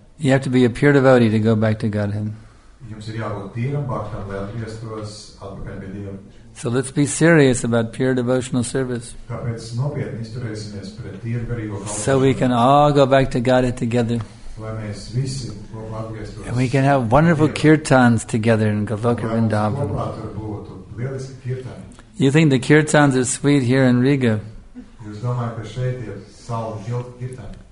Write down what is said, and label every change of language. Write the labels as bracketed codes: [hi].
[en] You have to be a pure devotee to go back to Godhead. [lv] Jums ir jābūt tīram bhaktam, lai atgrieztos atpakaļ pie Dieva. [en] So let's be serious about pure devotional service. [lv] Tāpēc nopietni izturēsimies pret tīru garīgo kalpošanu. [en] So we can all go back to Godhead together. [lv] Lai mēs visi kopā atgrieztos. [en] And we can have wonderful kirtans together in Goloka Vrindavan. [lv] Lai mums kopā tur būtu lieliski kirtani. [en] You think the kirtans are sweet here in Riga? [lv] Jūs domājat, ka šeit ir saldi žilti kirtani?